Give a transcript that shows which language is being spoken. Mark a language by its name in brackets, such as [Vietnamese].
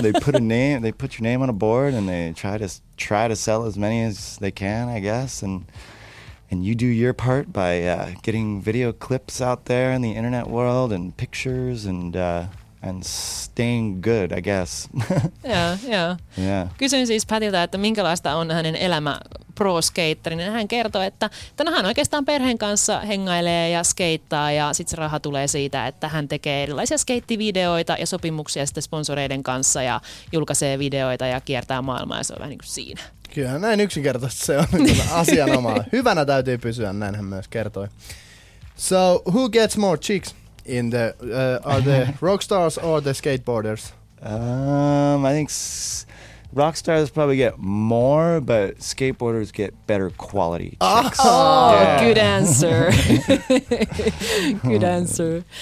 [English] They put your name on a board and they try to sell as many as they can, I guess. And you do your part by getting video clips out there in the internet world and pictures and staying good, I guess. Yeah. [Finnish] Kysyin siis Pätiltä, että minkälaista on hänen elämä pro-skaterina. Hän kertoo, että hän oikeastaan perheen kanssa hengailee ja skeittaa, ja sitten se raha tulee siitä, että hän tekee erilaisia skeittivideoita ja sopimuksia sitten sponsoreiden kanssa ja julkaisee videoita ja kiertää maailmaa, ja se on vähän niin kuin siinä. Kyllä, näin yksinkertaisesti se on asianomaa. Hyvänä täytyy pysyä, näin hän myös kertoi. [English] So, who gets more chicks? In the are the rock stars or the skateboarders? I think rock stars probably get more, but skateboarders get better quality chicks. Oh, yeah. Good answer. Good answer.